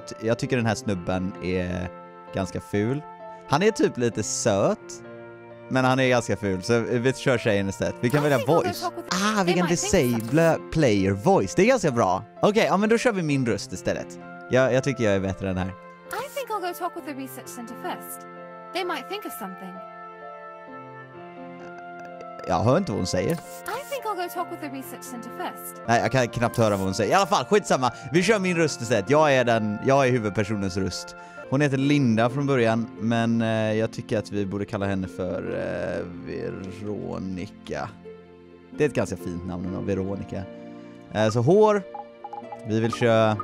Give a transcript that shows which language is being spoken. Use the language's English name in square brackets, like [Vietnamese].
[Swedish] Jag tycker den här snubben är ganska ful. Han är typ lite söt. Men han är ganska ful, så vi kör tjejen istället. Vi kan välja voice. Vi kan [English] disable player voice. [Swedish] Det är ganska bra. Okej, okay, ja, men då kör vi min röst istället. Jag tycker jag är bättre än den här. [English] I think I'll go talk with the research center first. They might think of something. [Swedish] Jag hör inte vad hon säger. [English] I think I'll go talk with the research center first. [Swedish] Nej, jag kan knappt höra vad hon säger. I alla fall, skitsamma. Vi kör min röst istället. Jag är huvudpersonens röst. Hon heter Linda från början, men jag tycker att vi borde kalla henne för Veronica. Det är ett ganska fint namn nu, Veronica. Så hår, vi vill köra...